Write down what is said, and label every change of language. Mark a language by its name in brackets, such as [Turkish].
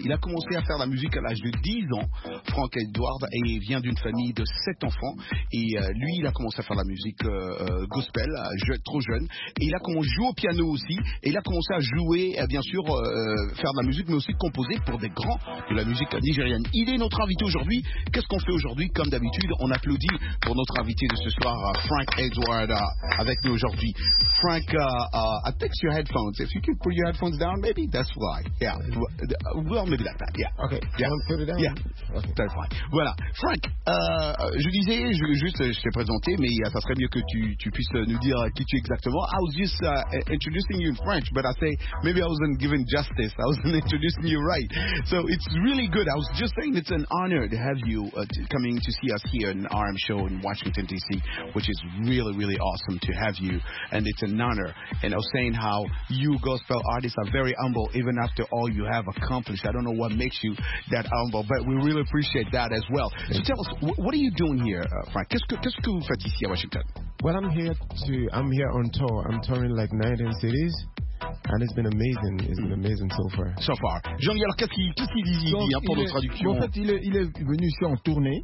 [French] Il a commencé à faire la musique à l'âge de 10 ans, Frank Edward, et il vient d'une famille de 7 enfants, et lui, il a commencé à faire la musique gospel, trop jeune, et il a commencé à jouer au piano aussi. Et il a commencé à jouer, bien sûr, faire de la musique, mais aussi composer pour des grands de la musique nigérienne. Il est notre invité aujourd'hui. Qu'est-ce qu'on fait aujourd'hui? Comme d'habitude, on applaudit pour notre invité de ce soir, Frank Edward, avec nous aujourd'hui. [English] Frank, I fix your headphones. If you could put your headphones down, maybe that's why. Yeah. Well, maybe like that. Yeah. Okay. Yeah. I'll put it down. Yeah. Okay. That's fine. Voilà. [French] Frank, je disais, je vais juste, je t'ai présenté, mais ça serait mieux que tu puisses nous dire qui tu es exactement. [English] I was just introducing you in French, but I say maybe I wasn't given justice. I wasn't introducing you right. So it's really good. I was just saying it's an honor to have you coming to see us here in RM Show in Washington, D.C., which is really, really awesome to have you. And it's an honor. And I was saying how you gospel artists are very humble, even after all you have accomplished. I don't know what makes you that humble, but we really appreciate that as well. So tell us, what are you doing here, Frank? [French] Qu'est-ce que vous faites ici à Washington? [English] Well, I'm here on tour. I'm touring like 19 cities, and it's been amazing. It's been amazing so far. So far. [French] Jean-Louis, alors qu'est-ce qu'il dit pour nos traductions? En fait, il est venu ici en tournée.